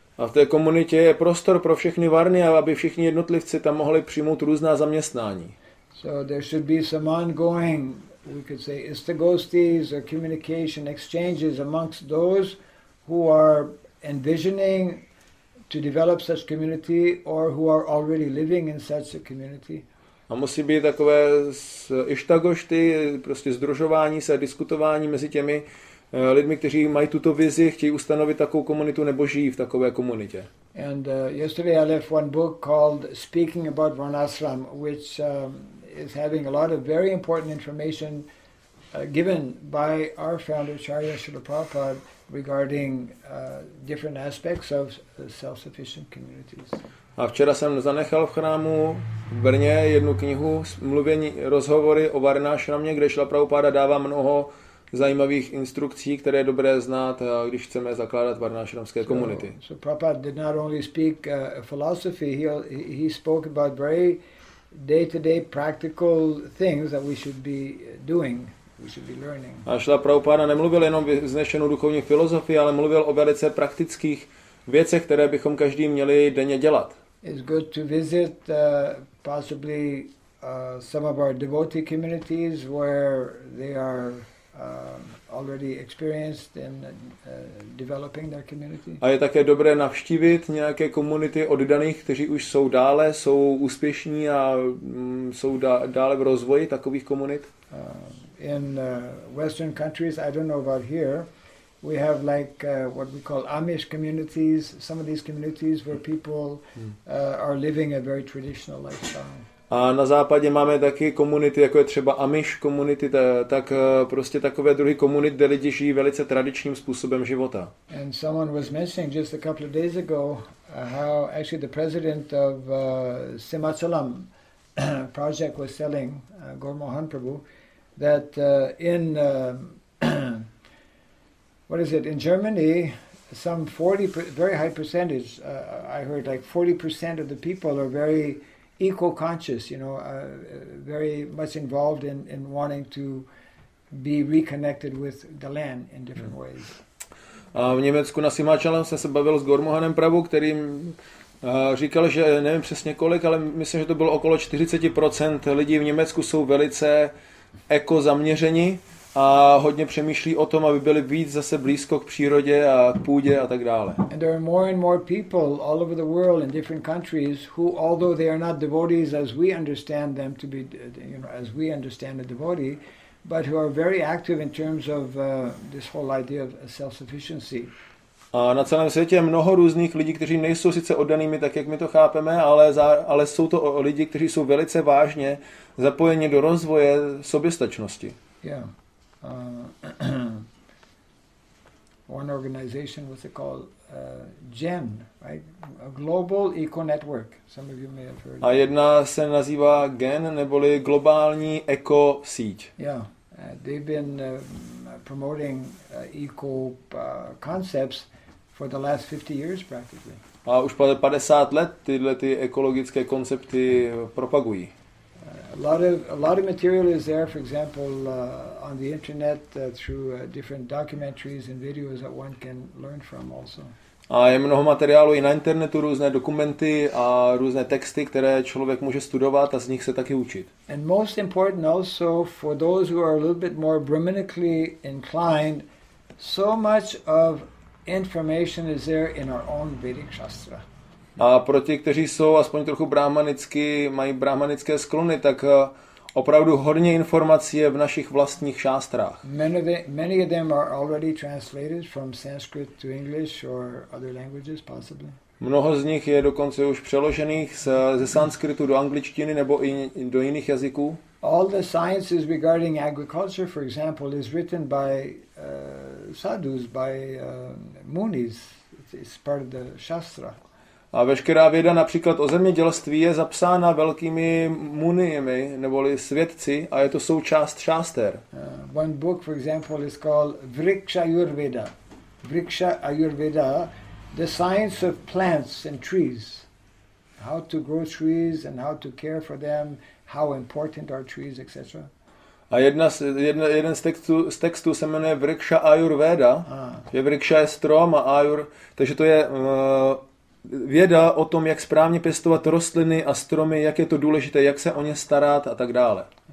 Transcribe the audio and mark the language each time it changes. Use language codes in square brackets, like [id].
[cs] A v té komunitě je prostor pro všechny varny, aby všichni jednotlivci tam mohli přijmout různá zaměstnání. [en] So there should be some ongoing, we could say, istagostis or communication exchanges amongst those who are envisioning to develop such community or who are already living in such a community. [cs] A musí být takové ištagošty, prostě sdružování se, diskutování mezi těmi lidmi, kteří mají tuto vizi, chtějí ustanovit takovou komunitu nebo žijí v takové komunitě. [en] And yesterday I left one book called Speaking About Varnashram, which is having a lot of very important information given by our founder Acharya Srila Prabhupada regarding different aspects of self-sufficient communities. [cs] A včera jsem zanechal v chrámu v Brně jednu knihu mluvení rozhovory o Varnashramě, kde Srila Prabhupada dává mnoho zajímavých instrukcí, které je dobré znát, když chceme zakládat Varnashramské komunity. [en] So Prabhupada did not only speak philosophy, he spoke about very day-to-day practical things that we should be doing. [cs] A Srila Prabhupada nemluvil jenom vznešenou duchovní filozofii, ale mluvil o velice praktických věcech, které bychom každý měli denně dělat. [en] It's good to visit possibly some of our devotee communities where they are already experienced in developing their community. [cs] A je také dobré navštívit nějaké komunity oddaných, kteří už jsou dále, jsou úspěšní a jsou dále v rozvoji takových komunit. [en] In Western countries, I don't know about here, we have like what we call Amish communities, some of these communities where people are living a very traditional lifestyle. [cs] A na západě máme taky komunity, jako je třeba Amish community, tak prostě takové druhy komunit, kde lidi žijí velice tradičním způsobem života. [en] And someone was mentioning just a couple of days ago how actually the president of Simhachalam project was telling Gaur Mohan Prabhu that in what is it, in Germany, some 40 very high percentage, I heard like 40% of the people are very eco-conscious, you know, very much involved in wanting to be reconnected with the land in different ways. [cs] A v Německu na Simhachalam jsem se bavil s Gaur Mohanem Prabhu, který říkal, že nevím přesně kolik, ale myslím, že to bylo okolo 40% lidí v Německu jsou velice eko zaměření a hodně přemýšlí o tom, aby byli víc zase blízko k přírodě a k půdě a tak dále. [en] And there are more and more people all over the world in different countries who, although they are not devotees as we understand them to be, you know, as we understand a devotee, but who are very active in terms of this whole idea of self-sufficiency. [cs] A na celém světě je mnoho různých lidí, kteří nejsou sice oddanými tak, jak my to chápeme, ale jsou to lidi, kteří jsou velice vážně zapojeni do rozvoje soběstačnosti. [en] One organization, what's it called? GEN, right? A Global Eco Network. Some of you may have heard. [cs] A jedna se nazývá GEN, neboli globální eco síť. [en] Yeah, they've been promoting eco concepts for the last 50 years practically. [cs] A už 50 let tyhle ty ekologické koncepty propagují. [en] A lot of material is there, for example, on the internet through different documentaries and videos that one can learn from also. [cs] A je mnoho materiálu i na internetu, různé dokumenty a různé texty, které člověk může studovat a z nich se taky učit. [en] And most important also for those who are a little bit more brahminically inclined, so much of information is there in our own Vedic Shastra. [cs] A pro ti, kteří jsou aspoň trochu brahmanicky, mají brahmanické sklony, tak opravdu hodně informací je v našich vlastních šástrách. [en] Many of them are already translated from Sanskrit to English or other languages possibly. [cs] Mnoho z nich je dokonce už přeložených ze sanskritu do angličtiny nebo i do jiných jazyků. [en] All the sciences regarding agriculture, for example, is written by sadhus, by munis. It's part of the shastra. [cs] A veškerá věda například o zemědělství je zapsána velkými muniemi, neboli svědci, a je to součást šáster. [en] One book, for example, is called Vriksha Ayurveda. Vriksha Ayurveda, the science of plants and trees. How to grow trees and how to care for them, how important are trees, etc. [cs] A jeden z textů se jmenuje Vriksha Ayurveda. Vriksha je strom a ayur, takže to je věda o tom, jak správně pěstovat rostliny a stromy, jak je to důležité, jak se o ně starat a tak dále.